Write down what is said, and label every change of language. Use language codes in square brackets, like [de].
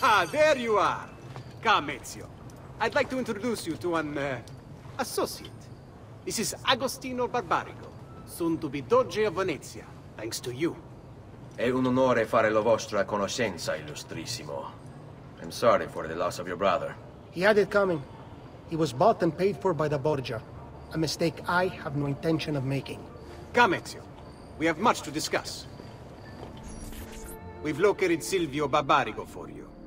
[en] There you are. Come, Ezio. I'd like to introduce you to an associate. This is Agostino Barbarigo, soon to be Doge of Venezia, thanks to you. [it] È un onore fare la vostra conoscenza, illustrissimo. [en] I'm sorry for the loss of your brother. He had it coming. He was bought and paid for by the Borgia. A mistake I have no intention of making. Come, Ezio. We have much to discuss. We've located Silvio Barbarigo for you.